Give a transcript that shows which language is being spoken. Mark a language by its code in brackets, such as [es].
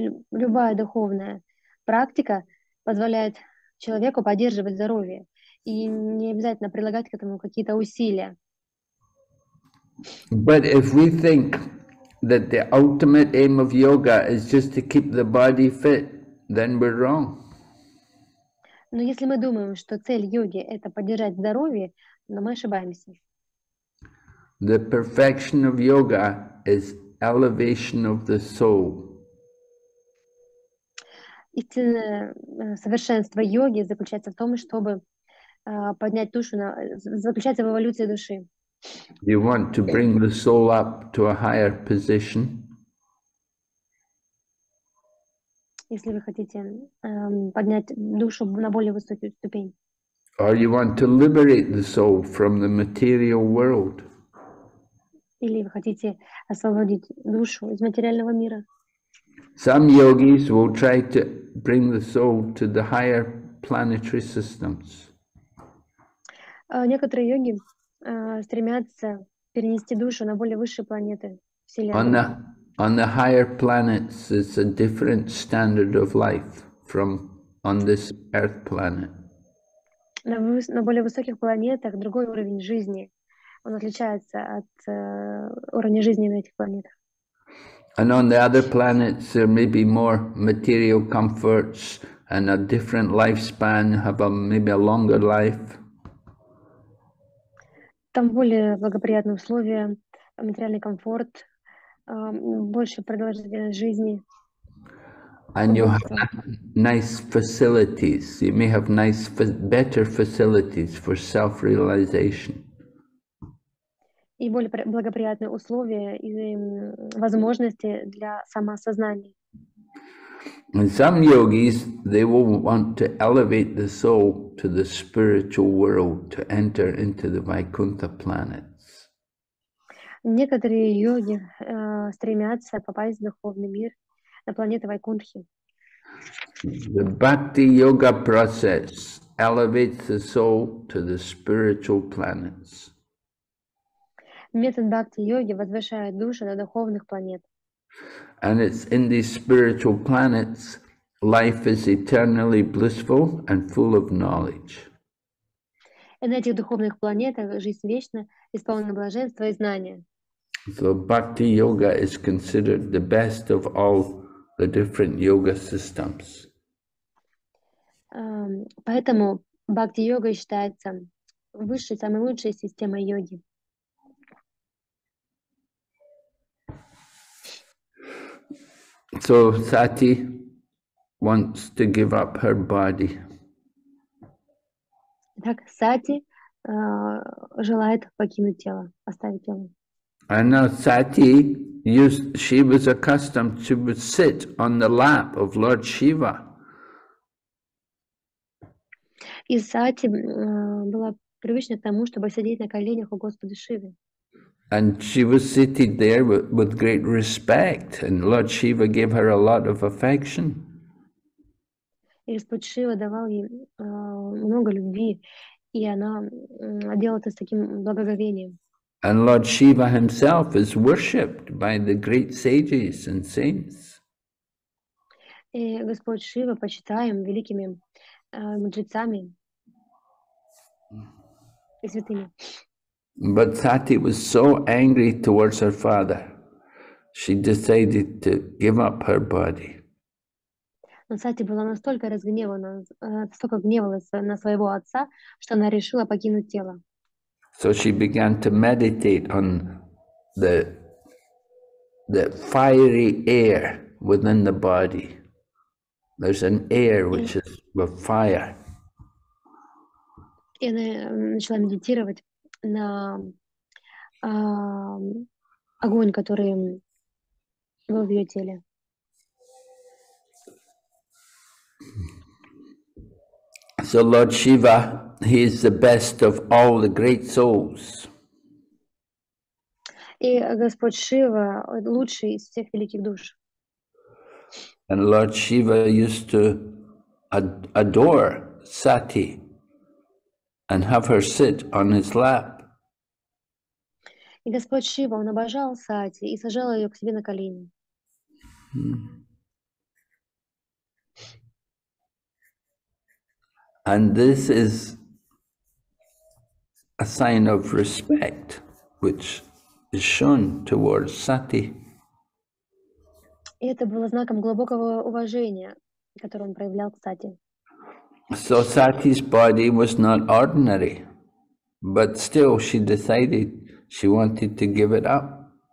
[ru] Любая духовная практика позволяет человеку поддерживать здоровье и не обязательно прилагать к этому какие-то усилия. [en] But if we think that the ultimate aim of yoga is just to keep the body fit, then we're wrong. [ru] Но если мы думаем, что цель йоги – это поддержать здоровье, но мы ошибаемся. [en] The perfection of yoga is elevation of the soul. [ru] Истинное совершенство йоги заключается в том, чтобы поднять душу, заключается в эволюции души. [en] You want to bring the soul up to a higher position. [ru] Если вы хотите поднять душу на более высокую ступень. [en] Or you want to liberate the soul from the material world. [ru] Или вы хотите освободить душу из материального мира. [en] Some yogis will try to bring the soul to the higher planetary systems. [ru] Некоторые йоги стремятся перенести душу на более высшие планеты Вселенной. [en] On the higher planets is a different standard of life from on this earth planet. [ru] На более высоких планетах другой уровень жизни. Он отличается от уровня жизни на этих планетах. [en] And on the other planets there may be more material comforts and a different lifespan, have a, maybe a longer life. [ru] Там более благоприятные условия, материальный комфорт, больше продолжительность жизни. [en] And you have nice facilities. You may have nice, better facilities for self-realization. [ru] И более благоприятные условия и возможности для самоосознания. [en] And some yogis, they will want to elevate the soul to the spiritual world, to enter into the Vaikuntha planets. [ru] Некоторые йоги стремятся попасть в духовный мир, на планету Вайкунтхи. [en] The bhakti yoga process elevates the soul to the spiritual planets. [ru] Метод бхакти йоги возвышает душу на духовных планетах. [en] And it's in these spiritual planets life is eternally blissful and full of knowledge. [ru] И на этих духовных планетах жизнь вечна, исполнена блаженства и знания. [en] So bhakti yoga is considered the best of all the different yoga systems. [ru] Поэтому бхакти йога считается высшей, самой лучшей системой йоги. [en] So Sati wants to give up her body. [ru] Так Сати желает покинуть тело, оставить тело. [en] And now Sati she was accustomed to sit on the lap of Lord Shiva. [ru] И Сати была привычна к тому, чтобы сидеть на коленях у Господа Шивы. [en] And she was seated there with great respect, and Lord Shiva gave her a lot of affection. [ru] И Господь Шива давал ей много любви, и она делала это с таким благоговением. [en] And Lord Shiva himself is worshipped by the great sages and saints. [ru] И Господь Шива почитаем великими мудрецами и святыми. [en] But Sati was so angry towards her father, she decided to give up her body. [ru] Но Сати была настолько разгневана, настолько гневалась на своего отца, что она решила покинуть тело. [en] So she began to meditate on the fiery air within the body. There's an air which is with fire. [ru] И она начала медитировать на огонь, который был в ее теле. [en] So Lord Shiva, he is the best of all the great souls. [ru] И Господь Шива лучший из всех великих душ. [en] And Lord Shiva used to adore Sati and have her sit on his lap. [ru] И Господь Шива, он обожал Сати и сажал ее к себе на колени. [en] And this is a sign of respect which is shown towards Sati. [ru] Это было знаком глубокого уважения, которое он проявлял к Сати. [en] So Sati's body was not ordinary, but still she decided she wanted to give it up.